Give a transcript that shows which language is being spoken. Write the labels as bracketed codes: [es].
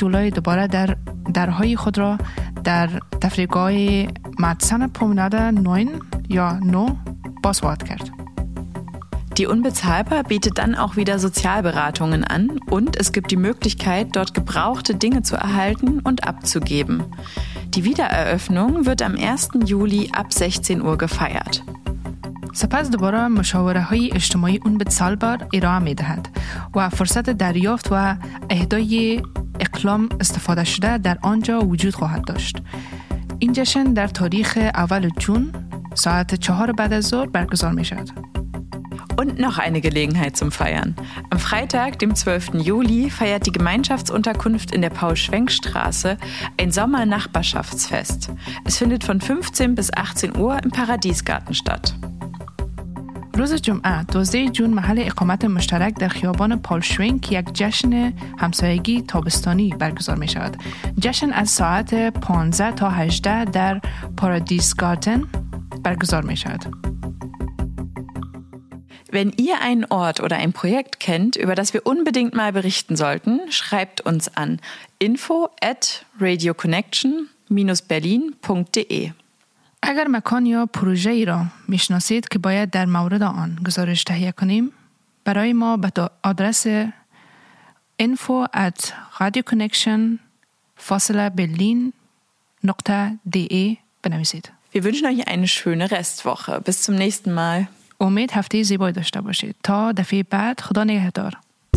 [de] Juli wieder [fa] در های خود را در تفریگاه مدسن پومناده 9 یا 9 باز وارد کرد. [de] Die Unbezahlbar bietet dann auch wieder Sozialberatungen an und es gibt die Möglichkeit, dort gebrauchte Dinge zu erhalten und abzugeben. Die Wiedereröffnung wird am 1. Juli ab 16 Uhr gefeiert. [fa] سپس دوباره مشاوره های اجتماعی Unbezahlbar ارائه می دهد و فرصت دریافت و اهدای اقلام استفاده شده در آنجا وجود خواهد داشت. این جشن در تاریخ اول جون ساعت 4 بعد از ظهر برگزار می شود. [de] Und noch eine Gelegenheit zum Feiern. Am Freitag, dem 12. Juli, feiert die Gemeinschaftsunterkunft in der Paul-Schwenk-Straße ein Sommernachbarschaftsfest. Es findet von 15 bis 18 Uhr im Paradiesgarten statt. [fa] روز جمعه 12 جون محل اقامت مشترک در خیابان پال شوینگ یک جشن همسایگی تابستانی برگزار می شود. جشن از ساعت 15 تا 18 در پارادیس گارتن برگزار می شود. [de] Wenn ihr einen Ort oder ein Projekt kennt, über das wir unbedingt mal berichten sollten, schreibt uns an info@radioconnection-berlin.de. [fa] اگر مکان یا پروژه ای را میشناسید که باید در مورد آن گزارش تهیه کنیم، برای ما به آدرس info@radioconnection-berlin.de بنویسید. [de] Wir wünschen euch eine schöne Restwoche. Bis zum nächsten Mal. [fa] امید هفته زیبایی داشته باشید. تا دفعه بعد خدا نگهدار.